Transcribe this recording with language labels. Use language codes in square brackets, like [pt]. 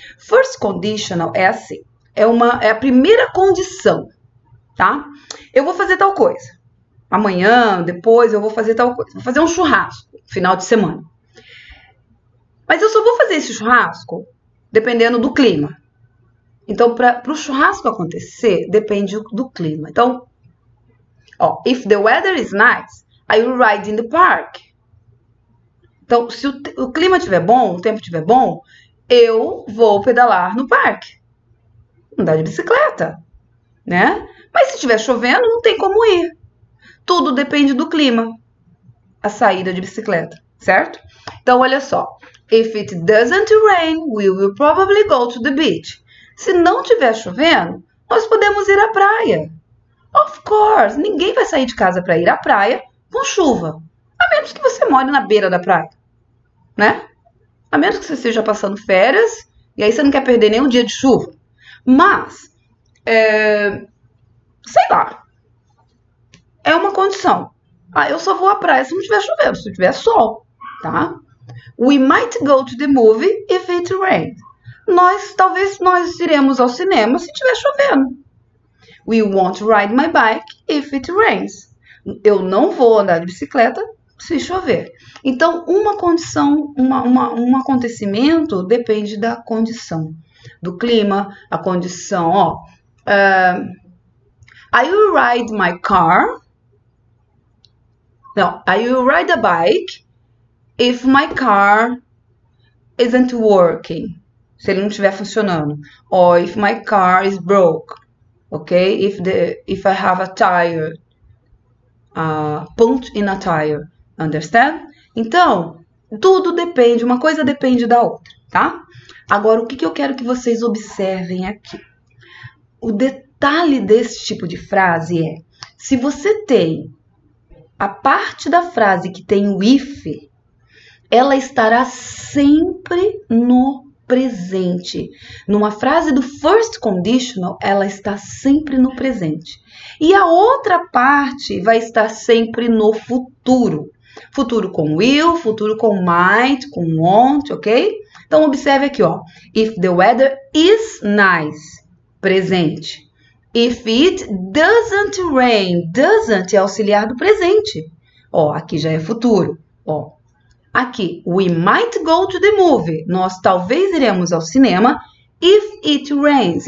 [pt] First conditional é assim. É a primeira condição, tá? Eu vou fazer tal coisa. Amanhã, depois, eu vou fazer tal coisa. Vou fazer um churrasco, final de semana. Mas eu só vou fazer esse churrasco dependendo do clima. Então, para o churrasco acontecer, depende do clima. Então, ó, [en] if the weather is nice, I will ride in the park. [pt] Então, se o clima estiver bom, o tempo estiver bom, eu vou pedalar no parque. Andar de bicicleta, né? Mas se estiver chovendo, não tem como ir. Tudo depende do clima, a saída de bicicleta, certo? Então, olha só. [en] If it doesn't rain, we will probably go to the beach. [pt] Se não tiver chovendo, nós podemos ir à praia. [en] Of course, [pt] ninguém vai sair de casa para ir à praia com chuva. A menos que você more na beira da praia, né? A menos que você esteja passando férias e aí você não quer perder nenhum dia de chuva. Mas, sei lá. É uma condição. Ah, eu só vou à praia se não tiver chovendo, se tiver sol, tá? [en] We might go to the movie if it rains. [pt] Talvez nós iremos ao cinema se tiver chovendo. [en] We won't ride my bike if it rains. [pt] Eu não vou andar de bicicleta se chover. Então, uma condição, um acontecimento depende da condição. Do clima, a condição, ó. [en] I will ride my car. Não, I will ride a bike if my car isn't working. [pt] Se ele não estiver funcionando. [en] Or if my car is broke. Ok? If I have a tire. A punch in a tire. [pt] Understand? Então, tudo depende. Uma coisa depende da outra. Tá? Agora, o que que eu quero que vocês observem aqui? O detalhe desse tipo de frase é: se você tem a parte da frase que tem o if, ela estará sempre no presente. Numa frase do first conditional, ela está sempre no presente. E a outra parte vai estar sempre no futuro. Futuro com will, futuro com might, com won't, ok? Então observe aqui, ó. [en] If the weather is nice, presente. If it doesn't rain, doesn't [pt] é auxiliar do presente. Ó, aqui já é futuro, ó. [en] Aqui, we might go to the movie. [pt] Nós talvez iremos ao cinema [en] if it rains.